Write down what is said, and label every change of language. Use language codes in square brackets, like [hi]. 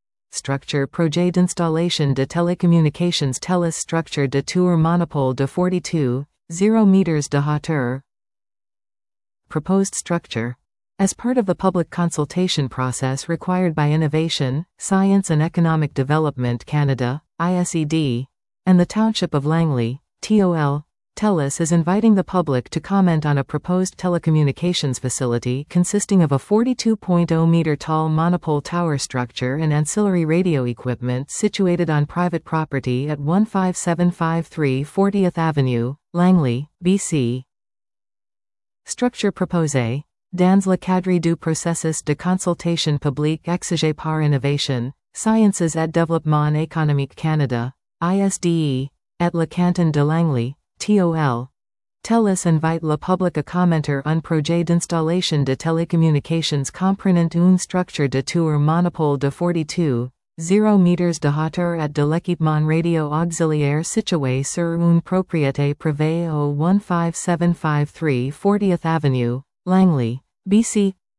[fr] Structure projet d'installation de télécommunications TELUS structure de tour monopole de 42.0 meters de hauteur. [en] Proposed structure. As part of the public consultation process required by Innovation, Science and Economic Development Canada, ISED, and the Township of Langley, TOL, TELUS is inviting the public to comment on a proposed telecommunications facility consisting of a 42.0-meter-tall monopole tower structure and ancillary radio equipment situated on private property at 15753 40th Avenue, Langley, BC. [fr] Structure proposé. Dans le cadre du processus de consultation publique exigé par Innovation, Sciences et Développement Économique Canada, ISDE, et le canton de Langley, TOL. TELUS invite le public à commenter un projet d'installation de télécommunications comprenant une structure de tour monopole de 42.0 meters de hauteur et de l'équipement radio auxiliaire situé sur une propriété privée au 15753 40th Avenue, Langley, BC.